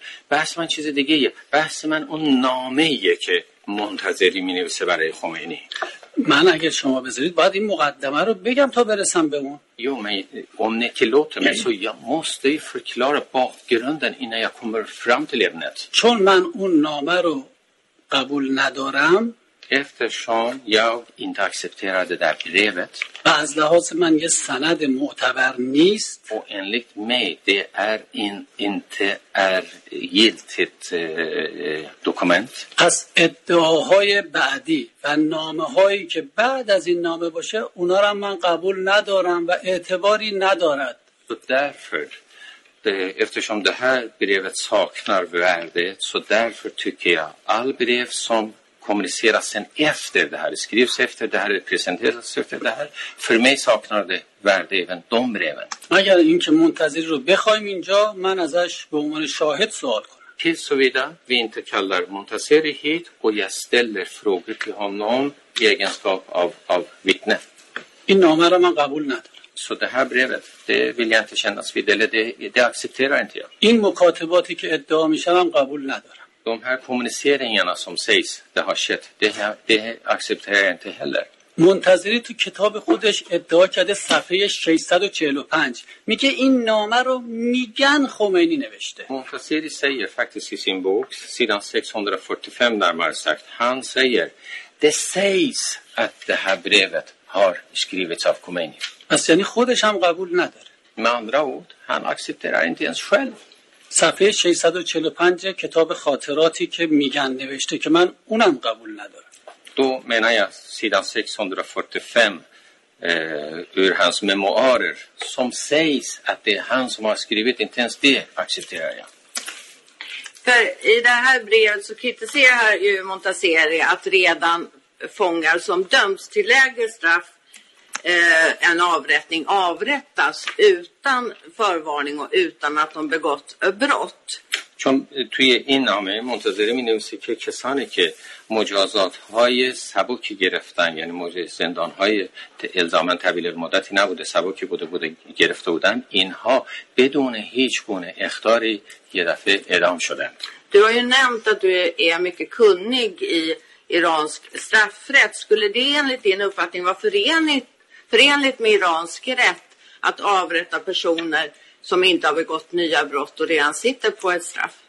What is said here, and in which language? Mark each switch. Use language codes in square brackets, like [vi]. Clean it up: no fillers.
[fa] بحث من اون نامه‌ایه که منتظری می‌نویسه برای خمینی. من اگه شما بذارید باید این مقدمه رو بگم تا برسم به اون. [sv] Jo, men om ni tillåter mig så jag måste ju förklara bakgrunden innan jag kommer fram till ämnet. [fa] چون من اون نامه رو قبول ندارم. [sv] Eftersom jag inte accepterar det där brevet. [fa] باز لحاظ من یه سند معتبر نیست. [sv] Och enligt mig det är inte giltigt dokument. [fa] پس ادعاهای بعدی و نامه هایی که بعد از این نامه باشه اونا رو من قبول ندارم و اعتباری ندارد. [sv] Därför eftersom det här brevet saknar värde så därför tycker jag all brev som kommuniceras sen efter det här, skrivs efter det här, presenteras efter det här. För mig saknar det värde även de breven. [fa] اگر اینکه منتظر رو بخوایم اینجا من ازش به عنوان شاهد سوال کنم. [sv] Till såvida vi inte kallar Montazeri hit och jag ställer frågor till honom i egenskap av vittne. [fa] این نامه رو من قبول ندارم. [sv] Så det här brevet, det vill jag inte kännas vid eller det accepterar inte jag. [fa] این مکاتباتی که ادعا میشه من قبول ندارم. [sv] De här kommuniceringarna som sägs det har skett, det accepterar jag inte heller. [fa] منتظری تو کتاب خودش ادعا کرده صفحه 645 میگه این نامه رو میگن خمینی نوشته. [sv] منتظری säger faktiskt i sin bok sidan 645 närmare sagt han säger det sägs att det här brevet har skrivits av Khomeini. [fa] پس یعنی خودش هم قبول نداره. [sv] Med andra ord, han accepterar inte ens själv. [fa] صفحه 645 کتاب خاطراتی که میگن نوشته که من اونم قبول ندارم. دو منایا سیدان [sv] 645 ur hans memoarer som sägs att det är han som har skrivit inte ens det accepterar jag. För i det här brevet så kritiserar ju Montazeri att redan fångar som döms till lägre straff en avrättning avrättas utan förvarning och utan att de begått brott. [fa] چون توی این نامه منتظری می نویسه که کسانی که مجازات های سبکی گرفتن یعنی مجازات زندان های الزامن طویل مدتی نبوده سبکی بوده گرفته بودن اینها بدون هیچ گونه اخطاری یه دفعه اعدام شدن. [sv] Du har ju nämnt att du är mycket kunnig i iransk straffrätt. Skulle det enligt din uppfattning vara förenligt med iransk rätt att avrätta personer som inte har begått nya brott och redan sitter på ett straff?